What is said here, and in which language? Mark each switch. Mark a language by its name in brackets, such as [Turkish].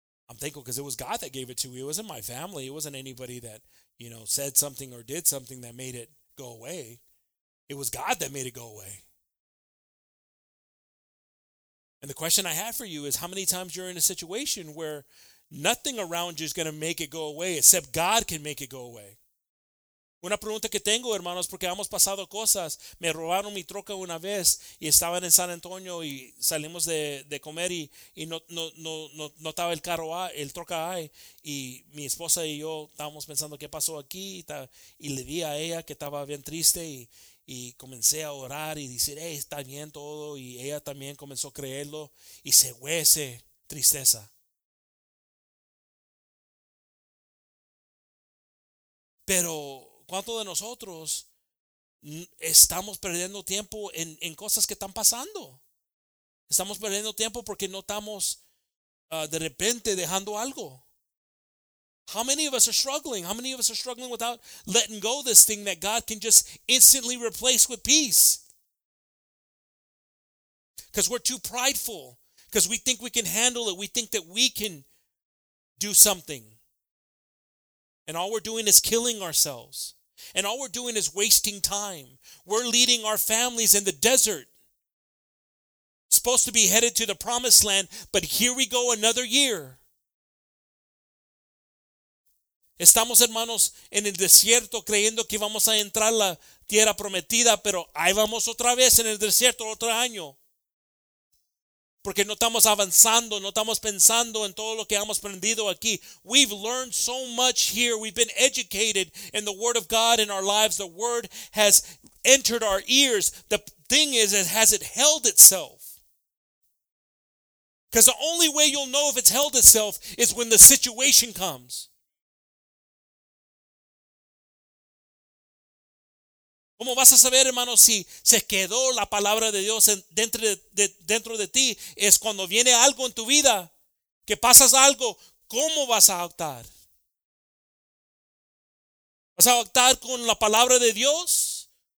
[English] I'm thankful because it was God that gave it to me. It wasn't my family. It wasn't anybody that, you know, said something or did something that made it go away. It was God that made it go away. And the question I have for you is, how many times you're in a situation where nothing around you is going to make it go away except God can make it go away? [Spanish] Una pregunta que tengo, hermanos, porque hemos pasado cosas. Me robaron mi troca una vez y estaban en San Antonio y salimos de comer y no estaba el troca ahí. Y mi esposa y yo estábamos pensando qué pasó aquí y le di a ella que estaba bien triste y comencé a orar y decir, hey, está bien todo. Y ella también comenzó a creerlo y se fue esa tristeza. Pero ¿cuántos de nosotros estamos perdiendo tiempo en cosas que están pasando? Estamos perdiendo tiempo porque no estamos de repente dejando algo. [English] How many of us are struggling? How many of us are struggling without letting go of this thing that God can just instantly replace with peace? Because we're too prideful. Because we think we can handle it. We think that we can do something. And all we're doing is killing ourselves. And all we're doing is wasting time. We're leading our families in the desert. Supposed to be headed to the promised land, but here we go another year. [Spanish] Estamos, hermanos, en el desierto creyendo que vamos a entrar la tierra prometida, pero ahí vamos otra vez en el desierto otro año. Porque no estamos avanzando, no estamos pensando en todo lo que hemos aprendido aquí. [English] We've learned so much here. We've been educated in the Word of God in our lives. The Word has entered our ears. The thing is, has it held itself? Because the only way you'll know if it's held itself is when the situation comes. [Spanish] ¿Cómo vas a saber, hermano, si se quedó la palabra de Dios dentro de ti? Es cuando viene algo en tu vida, que pasas algo, ¿cómo vas a actuar? ¿Vas a actuar con la palabra de Dios?